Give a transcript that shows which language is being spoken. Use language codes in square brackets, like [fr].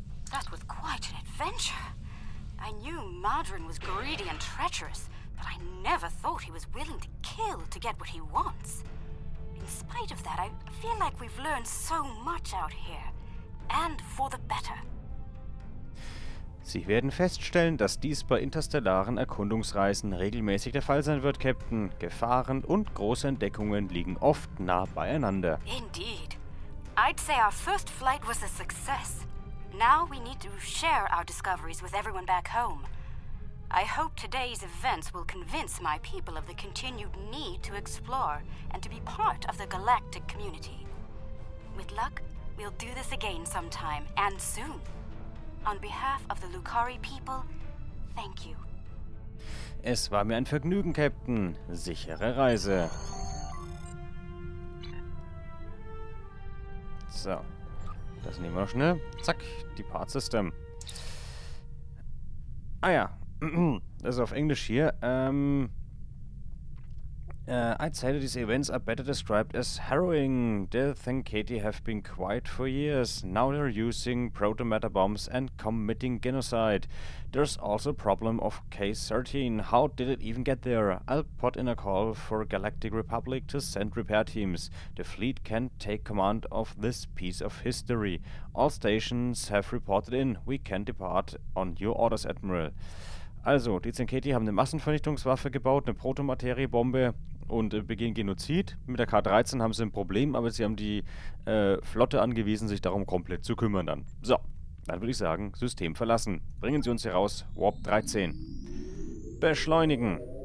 [en] That was quite an adventure. I knew Mardrin was greedy and treacherous, but I never thought he was willing to kill to get what he wants. In spite of that, I feel like we've learned so much out here. And for the better. [de] Sie werden feststellen, dass dies bei interstellaren Erkundungsreisen regelmäßig der Fall sein wird, Captain. Gefahren und große Entdeckungen liegen oft nah beieinander. [en] Indeed. I'd say our first flight was a success. Now we need to share our discoveries with everyone back home. I hope today's events will convince my people of the continued need to explore and to be part of the galactic community. With luck, we'll do this again sometime and soon. On behalf of the Lucari people, thank you. [de] Es war mir ein Vergnügen, Captain. Sichere Reise. So, das nehmen wir schnell. Zack, die Part System. Ah ja, das ist auf Englisch hier. [en] I'd say that these events are better described as harrowing. Death and Katie have been quiet for years. Now they're using proto-matter bombs and committing genocide. There's also a problem of K-13. How did it even get there? I'll put in a call for Galactic Republic to send repair teams. The fleet can take command of this piece of history. All stations have reported in. We can depart on your orders, Admiral. [de] Also, die Zenketi haben eine Massenvernichtungswaffe gebaut, eine Protomateriebombe und beginnen Genozid. Mit der K-13 haben sie ein Problem, aber sie haben die Flotte angewiesen, sich darum komplett zu kümmern dann. So, dann würde ich sagen, System verlassen. Bringen Sie uns hier raus, Warp 13. Beschleunigen!